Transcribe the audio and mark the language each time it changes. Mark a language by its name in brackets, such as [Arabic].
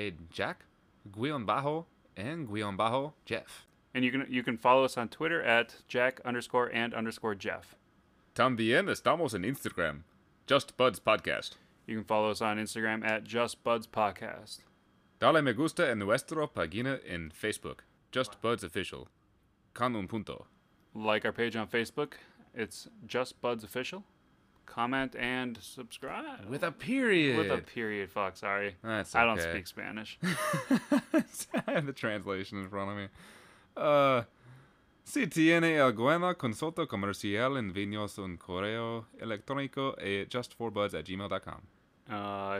[Spanish] Jack, Guion Bajo, and Guion Bajo, Jeff. [English] And you can follow us on Twitter at Jack_and_Jeff. [Spanish] También estamos en Instagram, Just Buds Podcast. [English] You can follow us on Instagram at Just Buds Podcast. [Spanish] Dale me gusta en nuestra página en Facebook, Just Buds Official, con un punto. [English] Like our page on Facebook, it's Just Buds Official. Comment and subscribe. With a period. With a period, fuck, sorry. That's okay. I don't speak Spanish. I have the translation in front of me. [Spanish] Si tiene alguna consulta comercial en vinos un correo electrónico a justforbuds@gmail.com.